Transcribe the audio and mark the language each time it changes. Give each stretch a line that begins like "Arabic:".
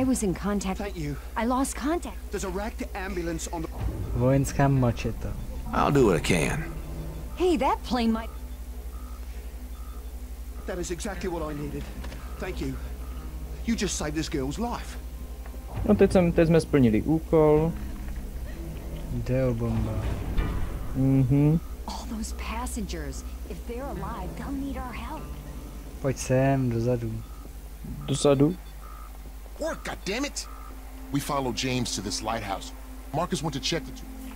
English: I was in contact. Thank you. I lost contact. There's a wrecked ambulance on the.
Czech: Vojenská mačeta.
English: I'll do what I can. Hey, that plane might. That is exactly what I needed. Thank you. You just saved this girl's life.
Czech: No teď jsme splnili úkol. Deo bomba. Mhm.
English: All those passengers, if they're alive, they'll need our help.
Czech: Pojď sem, dozadu. Dozadu?
English: Work, goddammit! We followed James to this lighthouse. Marcus went to check the two.